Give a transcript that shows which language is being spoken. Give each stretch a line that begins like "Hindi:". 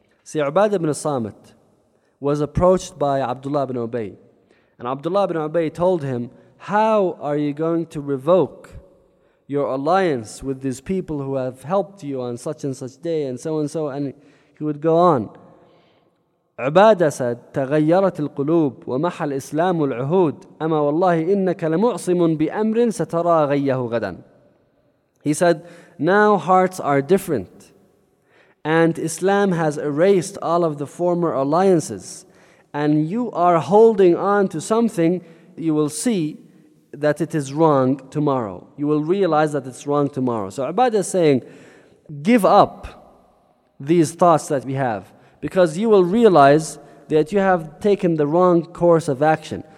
English: See, Ubad ibn Samit was approached by Abdullah ibn Ubay. And Abdullah ibn Ubay told him, how are you going to revoke your alliance with these people who have helped you on such and such day and so, and he would go on. Ubadah said,
Arabic: تغيرت القلوب ومح الإسلام العهود أما والله إنك لمعصم بأمر سترى غيه غدا.
English: He said, now hearts are different, and Islam has erased all of the former alliances, and you are holding on to something. You will see that it is wrong tomorrow. You will realize that it's wrong tomorrow. So Ubadah is saying, give up these thoughts that we have, because you will realize that you have taken the wrong course of action.